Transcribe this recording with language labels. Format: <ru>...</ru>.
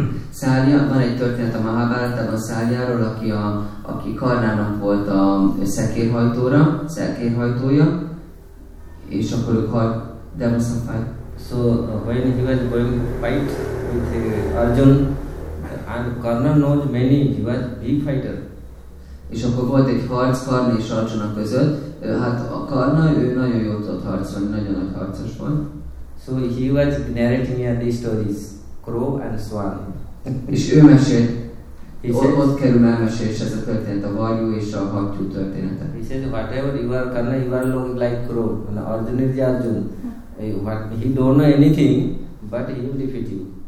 <hu>Salya, van egy történet a Mahabharatában Salyáról, aki Karnának volt a szekérhajtója, és akkor ő demonstrált.</hu> <en>So when he was going to fight with Arjuna. And Karna knows many, he was big fighter.</en> <hu>És akkor volt egy harc Karna és Arjuna között. Hát a Karna, ő nagyon jó tudott harcolni, nagyon nagy harcos volt.</hu> <en>So he was narrating these stories, crow and swan.</en> <hu>És ő mesélt, ott kerül elmesélés ez a történet, a varjú és a hattyú története.</hu> <en>He said, whatever you are Karna, you are looking like crow. And Arjuna is Arjuna. He don't know anything, but he will defeat you.</en>